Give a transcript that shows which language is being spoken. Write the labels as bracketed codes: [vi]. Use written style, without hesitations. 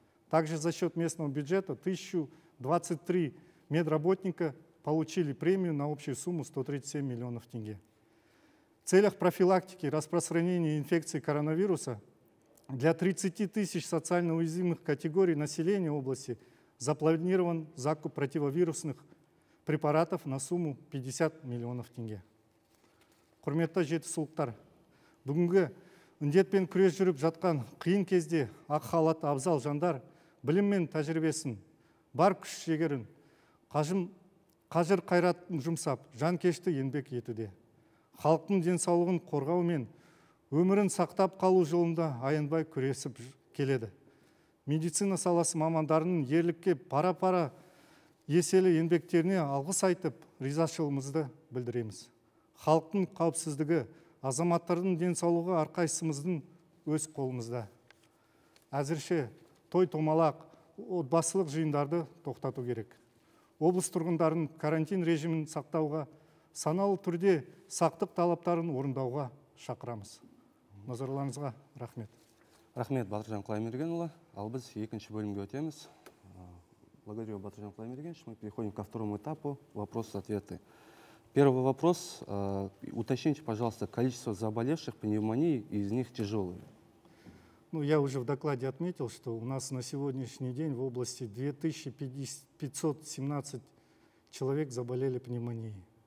[ru] Также за счет местного бюджета 1023 медработника получили премию на общую сумму 137 миллионов тенге. В целях профилактики распространения инфекции коронавируса для 30 тысяч социально уязвимых категорий населения области запланирован закуп противовирусных препаратов на сумму 50 миллионов тенге. [kk] Құрметті жетісулықтар, бүгінгі үндетпен күрес жүріп жатқан қиын кезде ақ халат абзал жандар білім мен тәжірибесін бар күш жігерін қажыр қайратын жұмсап жан кешті еңбек етуде. Халықтың денсаулығын қорғау мен өмірін сақтап қалу жолында аянбай күресіп келеді. Медицина саласы мамандарының ерлікке пара-пара еселі еңбектеріне алғыс айтып, ризашылымызды білдіреміз. Халықтың қауіпсіздігі, азаматтардың денсаулығы арқайсымыздың өз қолымызда. Әзірше той-томалақ, отбасылық жиындарды тоқтату керек. Облыс тұрғындарын карантин режимін сақтауға, саналы түрде сақтық талаптарын орындауға шақырамыз. Назарларыңызға рахмет. Рахмет, Батыржан Құлаймергенұлы. Ал біз екінші бөлімге өтеміз. [ru] Благодарю, Батыржан Құлаймергенович. Мы переходим ко второму этапу. Вопросы-ответы. Первый вопрос. Уточните, пожалуйста, количество заболевших пневмонией и из них тяжелые. Ну, я уже в докладе отметил, что у нас на сегодняшний день в области 2517 человек заболели пневмонией.